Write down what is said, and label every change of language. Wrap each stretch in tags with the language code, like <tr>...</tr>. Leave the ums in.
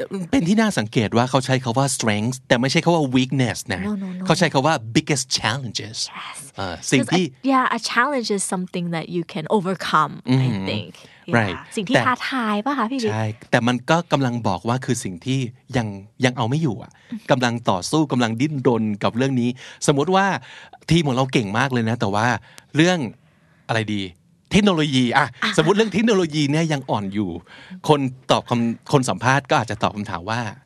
<th>เป็นที่น่าสังเกตว่าเขาใช้คาว่า strength แต่ไม่ใช่คาว่า weakness นะเขาใช้คาว่า</th> <en>biggest challenges</en> <th>สิ่งที่</th> <en>yeah a challenge is something that you can overcome I think</en> <th>ใช่สิ่งที่ท้า ทายป่ะคะพี่บิ๊กใช่ แต่มันก็กำลังบอกว่าคือสิ่งที่ยังยังเอาไม่อยู่อ่ะกำลังต่อสู้กำลังดิ้นรนกับเรื่องนี้ สมมติว่าทีมของเราเก่งมากเลยนะ แต่ว่าเรื่องอะไรดีทคโนโลยี อ่ะ สมมติเรื่องเทคโนโลยีเนี่ยยังอ่อนอยู่ คนตอบคำคนสัมภาษณ์ก็อาจจะตอบคำถามว่า</th>